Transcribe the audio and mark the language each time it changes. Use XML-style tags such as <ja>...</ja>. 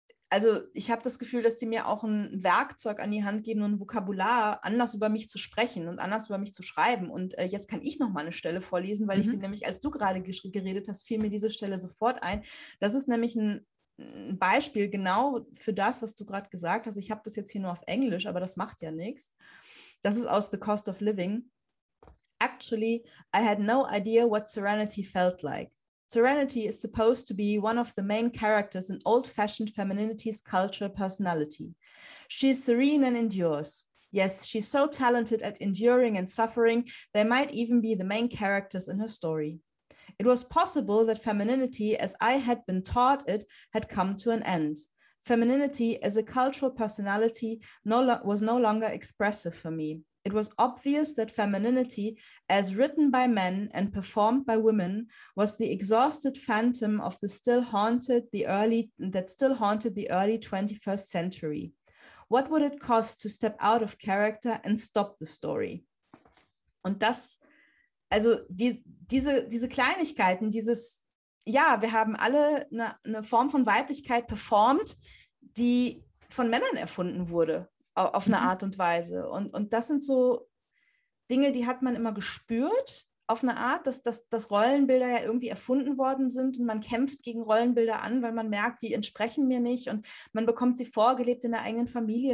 <de>also ich habe das Gefühl, dass die mir auch ein Werkzeug an die Hand geben und ein Vokabular, anders über mich zu sprechen und anders über mich zu schreiben. Und jetzt kann ich nochmal eine Stelle vorlesen, weil ich dir nämlich, als du gerade geredet hast, fiel mir diese Stelle sofort ein. Das ist nämlich ein Beispiel genau für das, was du gerade gesagt hast. Ich habe das jetzt hier nur auf Englisch, aber das macht ja nichts. Das ist aus The Cost of Living.</de> <en>Actually, I had no idea what serenity felt like. Serenity is supposed to be one of the main characters in old-fashioned femininity's cultural personality. She's serene and endures. Yes, she's so talented at enduring and suffering, they might even be the main characters in her story. It was possible that femininity, as I had been taught it, had come to an end. Femininity as a cultural personality was no longer expressive for me. It was obvious that femininity, as written by men and performed by women, was the exhausted phantom of the still haunted the early 21st century. What would it cost to step out of character and stop the story?</en> <de>Und das, also diese Kleinigkeiten, dieses, ja, wir haben alle eine Form von Weiblichkeit performt, die von Männern erfunden wurde. Auf eine Art und Weise. Und das sind so Dinge, die hat man immer gespürt, auf eine Art, dass Rollenbilder ja irgendwie erfunden worden sind und man kämpft gegen Rollenbilder an, weil man merkt, die entsprechen mir nicht und man bekommt sie vorgelebt in der eigenen Familie.</de>